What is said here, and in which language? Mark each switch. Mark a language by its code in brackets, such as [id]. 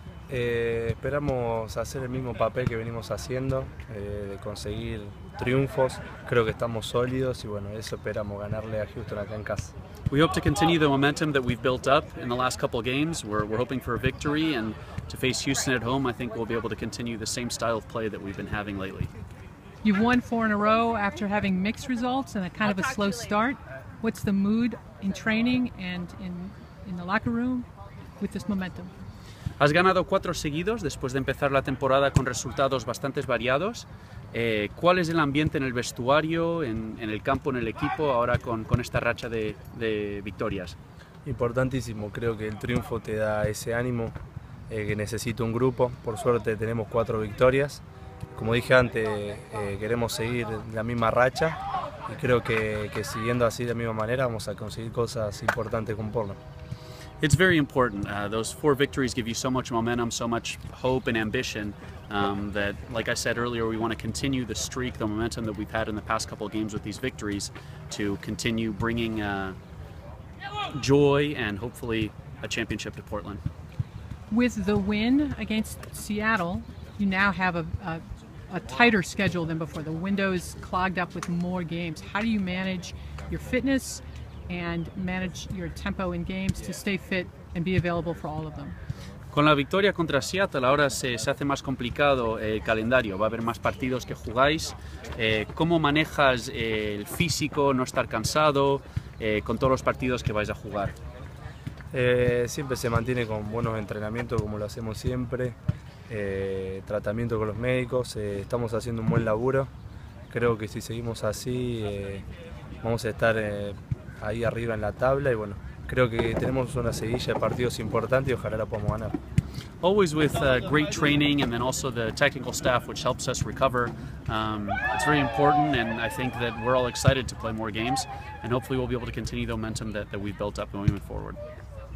[es] Esperamos hacer el mismo papel que venimos haciendo, de conseguir triunfos. Creo que estamos sólidos y bueno, eso esperamos, ganarle a Houston acá en casa. [en] We hope to continue the momentum that we've built up in the last couple games. We're hoping for a victory and to face Houston at home. I think we'll be able to continue the same style of play that we've been having lately. You've won four in a row after having mixed results and a kind of a slow start. What's the mood in training and in the locker room with this momentum? [es] Has ganado cuatro seguidos después de empezar la temporada con resultados bastante variados. ¿Cuál es el ambiente en el vestuario, en el campo, en el equipo, ahora con esta racha de victorias? Importantísimo. Creo que el triunfo te da ese ánimo que necesita un grupo. Por suerte tenemos cuatro victorias. Como dije antes, queremos seguir la misma racha y creo que siguiendo así de la misma manera vamos a conseguir cosas importantes con Portland. [en] It's very important. Those four victories give you so much momentum, so much hope and ambition that, like I said earlier, we want to continue the streak, the momentum that we've had in the past couple of games with these victories to continue bringing joy and hopefully a championship to Portland. With the win against Seattle, you now have a tighter schedule than before. The window is clogged up with more games. How do you manage your fitness and manage your tempo in games to stay fit and be available for all of them? [es] Con la victoria contra Seattle, ahora se hace más complicado el calendario. Va a haber más partidos que jugáis. ¿Cómo manejas el físico, no estar cansado, con todos los partidos que vais a jugar? Siempre se mantiene con buenos entrenamientos, como lo hacemos siempre. Tratamiento con los médicos. Estamos haciendo un buen laburo. Creo que si seguimos así, vamos a estar ahí arriba en la tabla y bueno, creo que tenemos una seguidilla de partidos importantes y ojalá la podamos ganar. [en] Always with great training and then also the technical staff which helps us recover. It's very important and I think that we're all excited to play more games and hopefully we'll be able to continue the momentum that we've built up moving forward.